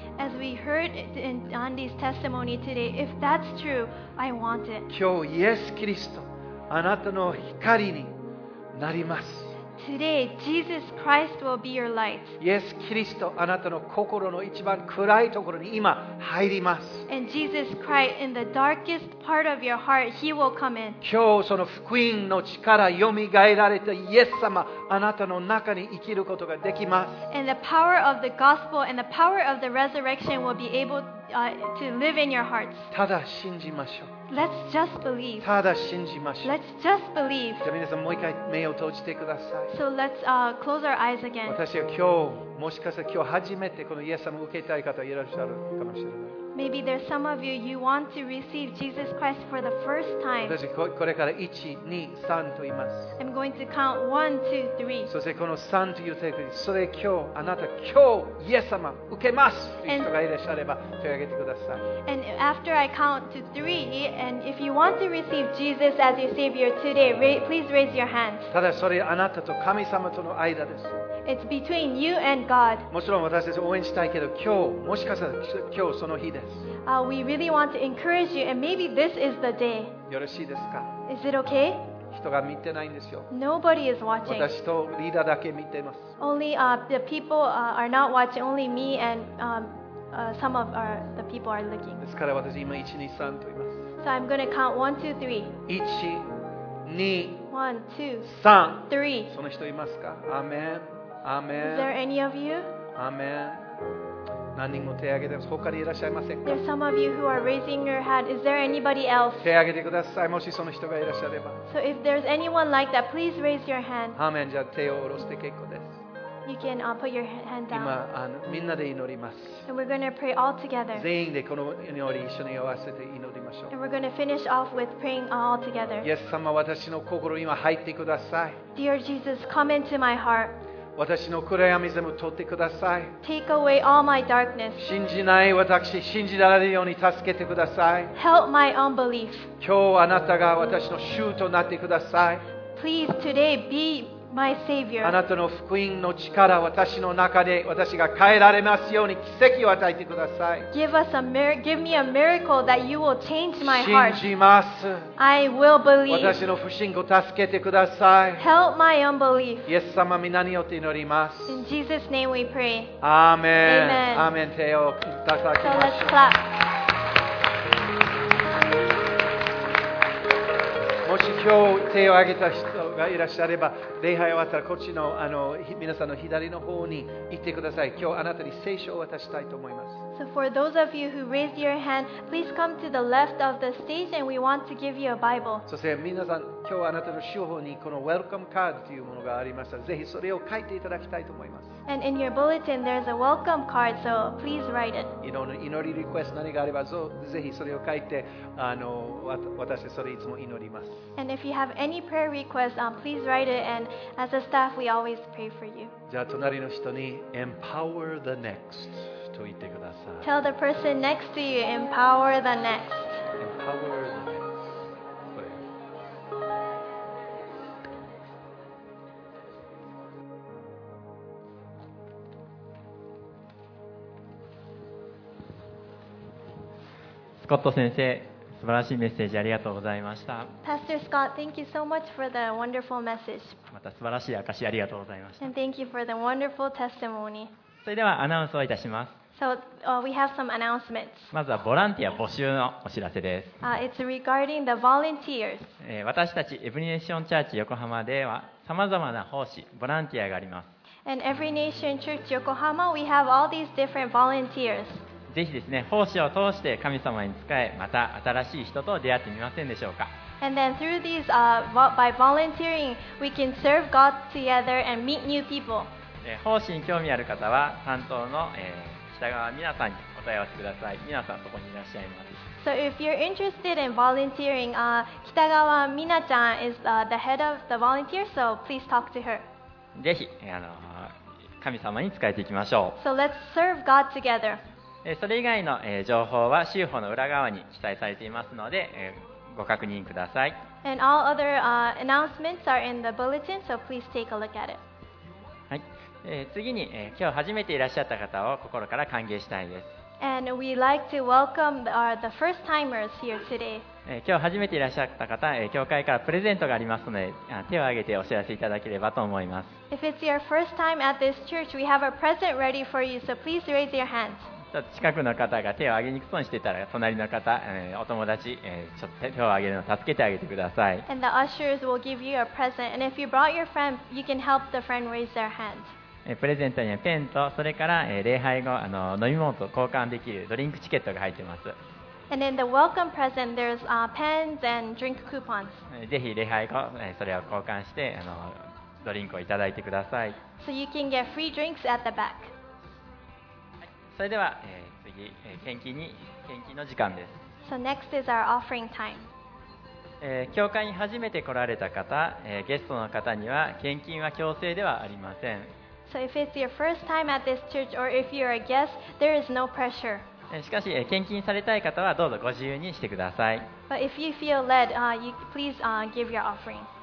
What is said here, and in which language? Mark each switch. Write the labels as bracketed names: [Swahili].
[English] As we heard in Andy's testimony today, if that's true, I want it. [Japanese] 今日イエス・キリスト、あなたの光になります。 [English] Today, Jesus Christ will be your light. [Japanese] イエス・キリスト、あなたの心の一番暗いところに今入ります。 [English] And Jesus Christ, in the darkest part of your heart, He will come in. [Japanese] 今日その福音の力、よみがえられたイエス様、あなたの中に生きることができます。 [English] And the power of the gospel and the power of the resurrection will be able to live in your hearts. [Japanese] ただ信じましょう。 [English] Let's just believe. [Japanese] ただ信じましょう。 [English] Let's just believe. [Japanese] じゃあ皆さんもう一回目を閉じてください。 [English] So let's close our eyes again. [Japanese] 私は今日、もしかしたら今日初めてこのイエス様を受けたい方いらっしゃるかもしれない。 [English] Maybe there's some of you, you want to receive Jesus Christ for the first time. [Japanese] これから1、2、3と言います。 [English] I'm going to count 1, 2, 3. [Japanese] そしてこの3という手で、それ今日、あなた今日、イエス様、受けますという人がいらっしゃれば、手を挙げてください。 [English] And after I count to 3, and if you want to receive Jesus as your Savior today, please raise your hand. [Japanese] ただそれあなたと神様との間です。 [English] It's between you and God. [Japanese] もちろん私たち応援したいけど、今日もしかしたら今日その日です。 [English] We really want to encourage you, and maybe this is the day. [Japanese] よろしいですか? [English] Is it okay? [Japanese] 人が見てないんですよ。 [English] Nobody is watching. [Japanese] 私とリーダーだけ見ています。 [English] Only the people are not watching. Only me and some of the people are looking. [Japanese] ですから私今一二三と言います。 [English] So I'm going to count 1, 2, 3. [Japanese] 一、二、三。 [English] One, two, [Japanese] three. その人いますか?アーメン。アーメン。 [English] Is there any of you? [Japanese] アーメン。何人も手を挙げてます。他にいらっしゃいませんか? [English] There's some of you who are raising your hand. Is there anybody else? [Japanese] 手を挙げてください。もしその人がいらっしゃれば。 [English] So if there's anyone like that, please raise your hand. [Japanese] アーメン。じゃあ手を下ろして結構です。 [English] You can put your hand down. [Japanese] 今みんなで祈ります。 [English] And we're going to pray all together. [Japanese] 全員でこの祈り一緒に合わせて祈りましょう。 [English] And we're going to finish off with praying all together. [Japanese] イエス様、私の心に今入ってください。 [English] Dear Jesus, come into my heart. [Japanese] 私の暗闇全部取ってください。 [English] Take away all my darkness. [Japanese] 信じない私、信じられるように助けてください。 [English] Help my unbelief. [Japanese] 今日あなたが私の主となってください。 [English] Please today be my Savior. [Japanese] あなたの福音の力、私の中で私が変えられますように奇跡を与えてください。 [English] Give me a miracle that you will change my heart. [Japanese] 信じます。 [English] I will believe. [Japanese] 私の不信を助けてください。 [English] Help my unbelief. [Japanese] イエス様、皆によって祈ります。 [English] In Jesus' name we pray. Amen. Amen. [Japanese] 手を叩きましょう。 [English] So let's clap. [Japanese] もし今日手を挙げた人がいらっしゃれば、礼拝終わったらこっち の, あの皆さんの左の方に行ってください。今日あなたに聖書を渡したいと思います。 [English] So for those of you who raised your hand, please come to the left of the stage and we want to give you a Bible. [Japanese] そして皆さん、今日あなたの手法にこの Welcome Card というものがありました。ぜひそれを書いていただきたいと思います。 [English] And in your bulletin, there's a Welcome Card, so please write it. [Japanese] 祈りリクエスト何があれば、ぜひそれを書いて、あの私それいつも祈ります。 [English] And if you have any prayer requests, please write it. And as a staff, we always pray for you. [Japanese] じゃあ隣の人に [English] empower the next [Japanese] と言ってください。 [English] Tell the person next to you, empower the next. Empower the next. [Japanese] スコット先生、素晴らしいメッセージありがとうございました。 [English] Pastor Scott, thank you so much for the wonderful message. [Japanese] また素晴らしい証しありがとうございました。 [English] And thank you for the wonderful testimony. [Japanese] それではアナウンスをいたします。 [English] So, we have some announcements. [Japanese] まずはボランティア募集のお知らせです。 [English] It's regarding the volunteers. [Japanese] 私たちエブリネーションチャーチ横浜では、さまざまな奉仕、ボランティアがあります。 [English] And Every Nation Church Yokohama, we have all these different volunteers. [Japanese] ぜひですね、奉仕を通して神様に仕え、また新しい人と出会ってみませんでしょうか。 [English] And then through these, by volunteering, we can serve God together and meet new people. [Japanese] 奉仕に興味ある方は担当の、北川美奈さんにお問い合わせください。美奈さんそこにいらっしゃいます。 [English] So if you're interested in volunteering, 北川美奈ちゃん is the head of the volunteer, so please talk to her. [Japanese] ぜひ、神様に仕えていきましょう。 [English] So let's serve God together. [Japanese] それ以外の情報は週報の裏側に記載されていますので、ご確認ください。 [English] And all other, announcements are in the bulletin, so please take a look at it. [Japanese] はい。次に、今日初めていらっしゃった方を心から歓迎したいです。 [English] And we like to welcome the first timers here today. [Japanese] 今日初めていらっしゃった方、教会からプレゼントがありますので、手を挙げてお知らせいただければと思います。 [English] If it's your first time at this church, we have a present ready for you, so please raise your hands. [Japanese] ちょっと近くの方が手を挙げにくそうにしていたら、隣の方、お友達、ちょっと手を挙げるのを助けてあげてください。 [English] And the ushers will give you a present. And if you brought your friend, you can help the friend raise their hand. [Japanese] プレゼントにはペンと、それから礼拝後、飲み物と交換できるドリンクチケットが入っています。 [English] And in the welcome present, there's pens and drink coupons. [Japanese] ぜひ礼拝後、それを交換して、ドリンクをいただいてください。 [English] So you can get free drinks at the back. [Japanese] それでは、次、献金の時間です。 [English] So next is our offering time. [Japanese] 教会に初めて来られた方、ゲストの方には献金は強制ではありません。 [English] So if it's your first time at this church or if you're a guest, there is no pressure. [Japanese] しかし、献金されたい方はどうぞご自由にしてください。 [English] But if you feel led, you please, give your offering.